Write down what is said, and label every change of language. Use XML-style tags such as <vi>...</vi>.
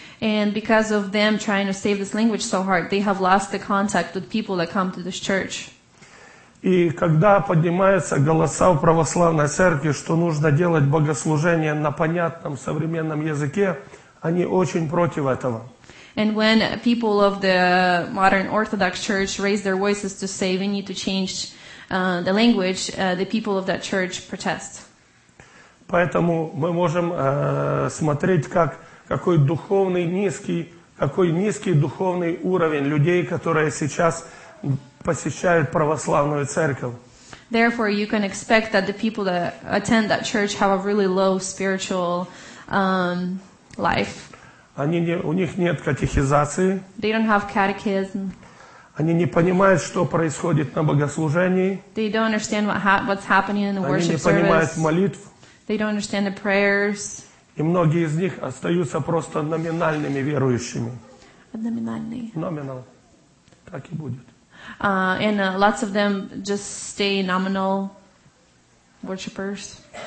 <en>And because of them trying to save this language so hard, they have lost the contact with people that come to this church.</en> <ru>И когда поднимаются голоса в православной церкви, что нужно делать богослужение на понятном современном языке, они очень против этого.</ru> <en>And when people of the modern Orthodox Church raise their voices to say we need to change the language, the people of that church protest.</en> <ru>Поэтому мы можем смотреть, как какой низкий духовный уровень людей, которые сейчас посещают православную церковь.</ru> <en>Therefore, you can expect that the people that attend that church have a really low spiritual life.</en> <ru>У них нет катехизации.</ru> <en>They don't have catechism.</en> <ru>Они не понимают, что происходит на богослужении.</ru> <en>They don't understand what's happening in the worship service.</en> <ru>Они не понимают молитв.</ru> <en>They don't understand the prayers.</en> <ru>И многие из них остаются просто номинальными верующими. Номинальные. Номинал. Так и будет.</ru> <en>And lots of them just stay nominal worshippers.</en>